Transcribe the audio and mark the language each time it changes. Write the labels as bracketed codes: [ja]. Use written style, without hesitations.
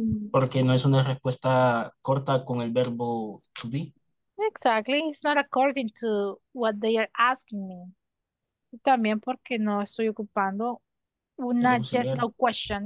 [es] Porque no es una respuesta corta con el verbo to be. [en] Exactly. It's not according to what they are asking me. [es] También porque no estoy ocupando una yes no question.